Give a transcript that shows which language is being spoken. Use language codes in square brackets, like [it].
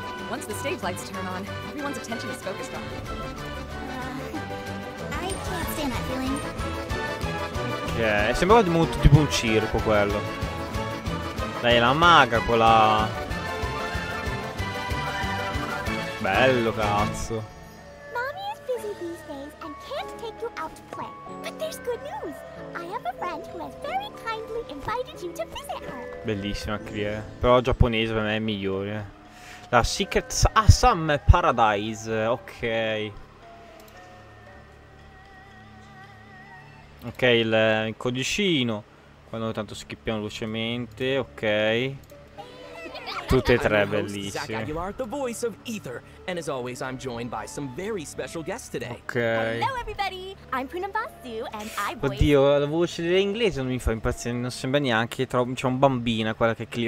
[en] Once the stage lights turn on, everyone's attention is focused on me. I can't stand that feeling. [it] Ok, sembrava molto tipo un circo quello. Dai, la maga quella. Bello, cazzo. [en] Mommy is busy these days and can't take you out to play. But there's good news. I have a friend who has very kindly invited you to visit her. [it] Bellissima qui, Però giapponese per me è migliore. La Secret Assam Paradise. Ok. Ok, il codicino. Quando tanto skippiamo velocemente. Ok. Tutte e [en] I'm [it] tre [en] your host, Zach [it] bellissime. [en] Aguilar, the voice of Ether. And as always, I'm joined by some very special guests today. Ok. Hello, everybody! I'm Poonam Basu, and I voice. [it] Oddio, la voce dell'inglese non mi fa impazzire. Non sembra neanche. C'è un bambina quella che è lì.